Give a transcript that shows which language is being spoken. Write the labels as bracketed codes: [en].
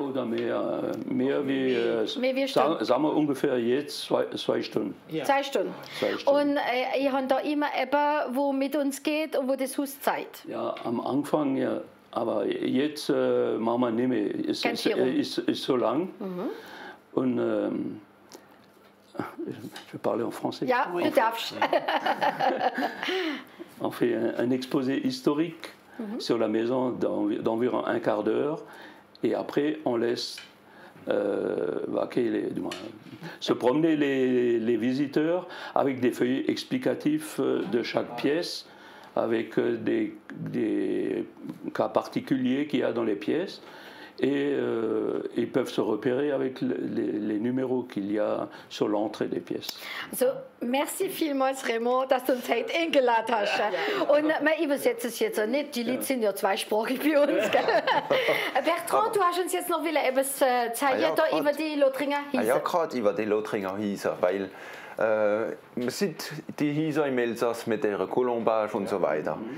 [de] Oder mehr. Mehr wie Stunden. Sagen wir ungefähr jetzt zwei Stunden. Ja. Zwei Stunden. Und ich habe da immer etwas, wo mit uns geht und wo das Haus zeigt. Ja, am Anfang ja. Aber jetzt machen wir nicht mehr. Es ist so lang. Mhm. [fr] Und je vais parler en français. Ja, oui. Tout à fait. On fait un exposé historique sur la maison d'environ un quart d'heure. Et après, on laisse se promener les visiteurs avec des feuillets explicatifs de chaque pièce, avec des cas particuliers qu'il y a dans les pièces. Et ils peuvent se repérer avec les numéros qu'il y a sur l'entrée des pièces. [de] So, merci vielmals, Raymond, dass du uns heute eingeladen hast. Und man, ich übersetze es jetzt auch nicht, die Leute sind ja zweisprachig bei uns. Gell? Bertrand, du hast uns jetzt noch wieder etwas zeigen über die Lothringer Hiese. Ja, gerade über die Lothringer Hiese, weil man sieht die Hiese im Elsass mit ihrer Colombage und so weiter.